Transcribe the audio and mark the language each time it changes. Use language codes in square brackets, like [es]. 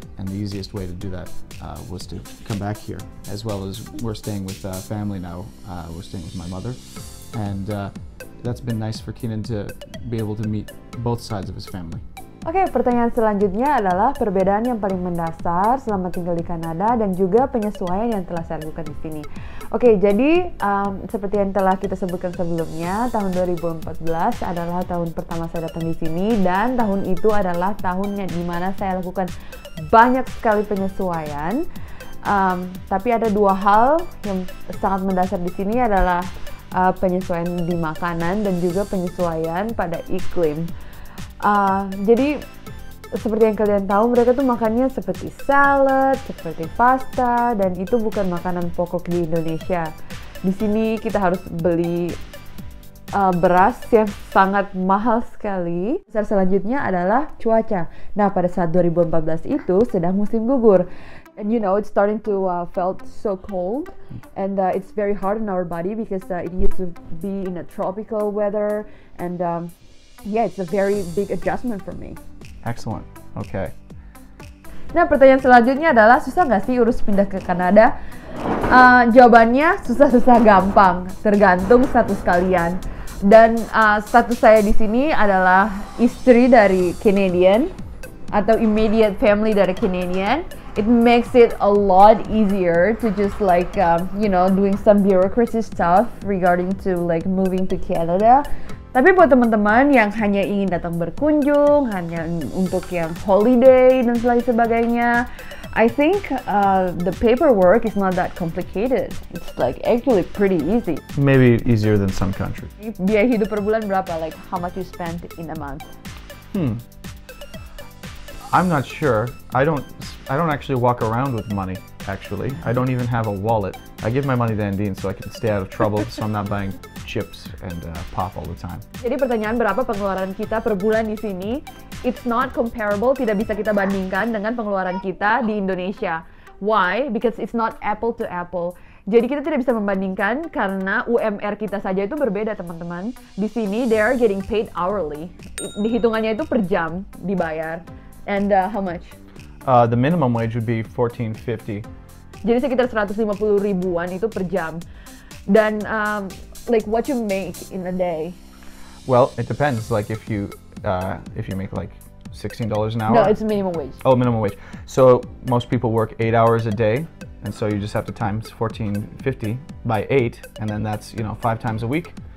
[en] And the easiest way to do that was to come back here, as well as we're staying with family now. We're staying with my mother. And that's been nice for Kenan to be able to meet both sides of his family. [id] Oke, pertanyaan selanjutnya adalah perbedaan yang paling mendasar selama tinggal di Kanada dan juga penyesuaian yang telah saya lakukan di sini. Oke, jadi seperti yang telah kita sebutkan sebelumnya, tahun 2014 adalah tahun pertama saya datang di sini dan tahun itu adalah tahunnya di mana saya lakukan banyak sekali penyesuaian. Tapi ada dua hal yang sangat mendasar di sini adalah penyesuaian di makanan dan juga penyesuaian pada iklim. Jadi seperti yang kalian tahu mereka tuh makannya seperti salad, seperti pasta dan itu bukan makanan pokok di Indonesia. Di sini kita harus beli beras yang sangat mahal sekali. Besar selanjutnya adalah cuaca. Nah, pada saat 2014 itu sedang musim gugur. [en] And you know, it's starting to felt so cold and it's very hard on our body because it used to be in a tropical weather and yeah, it's a very big adjustment for me. Excellent. Okay. [id] Nah, pertanyaan selanjutnya adalah susah nggak sih urus pindah ke Kanada? Jawabannya susah-susah gampang, tergantung status kalian. Dan status saya di sini adalah istri dari Canadian atau immediate family dari Canadian. [en] It makes it a lot easier to just like you know doing some bureaucracy stuff regarding to like moving to Canada. [id] Tapi buat teman-teman yang hanya ingin datang berkunjung, hanya untuk yang holiday dan lain sebagainya, [en] I think the paperwork is not that complicated. It's like actually pretty easy. Maybe easier than some country. [id] Biaya hidup per bulan berapa? [en] Like how much you spend in a month? I'm not sure. I don't actually walk around with money, actually. I don't even have a wallet. I give my money to Andine so I can stay out of trouble, so I'm not buying chips and pop all the time. [id] Jadi pertanyaan berapa pengeluaran kita per bulan di sini? [en] It's not comparable, [id] tidak bisa kita bandingkan dengan pengeluaran kita di Indonesia. [en] Why? Because it's not apple to apple. [id] Jadi kita tidak bisa membandingkan karena UMR kita saja itu berbeda, teman-teman. Di sini, [en] they are getting paid hourly. [id] Dihitungannya itu per jam dibayar. [en] And how much? The minimum wage would be $14.50. [id] Jadi sekitar 150 ribuan itu per jam. [en] Dan like what you make in a day? Well, it depends. Like if you make like $16 an hour. No, it's minimum wage. Oh, minimum wage. So most people work 8 hours a day, and so you just have to times 14.50 by 8, and then that's, you know, 5 times a week.